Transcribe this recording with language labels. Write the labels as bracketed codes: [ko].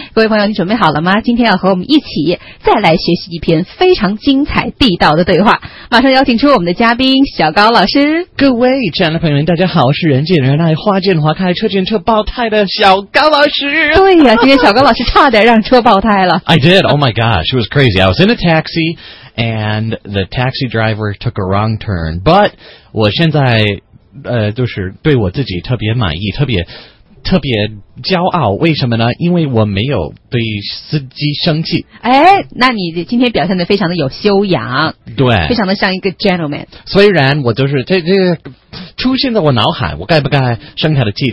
[zh] 各位朋友，你准备好了吗？今天要和我们一起再来学习一篇非常精彩地道的对话。马上邀请出我们的嘉宾小高老师。各位亲爱的朋友们，大家好，我是人见人爱、花见花开、车见车爆胎的小高老师。对呀、啊，今天小高老师差点让车爆胎了。 [en] I did. Oh my god. She was crazy. I was in a taxi, and the taxi driver took a wrong turn. [zh] But 我现在就是对我自己特别满意，特别骄傲。为什么呢？因为我没有对司机生气。哎，那你今天表现得非常的有修养，对，非常的像一个 gentleman。虽然我就是这出现在我脑海，我该不该生他的气？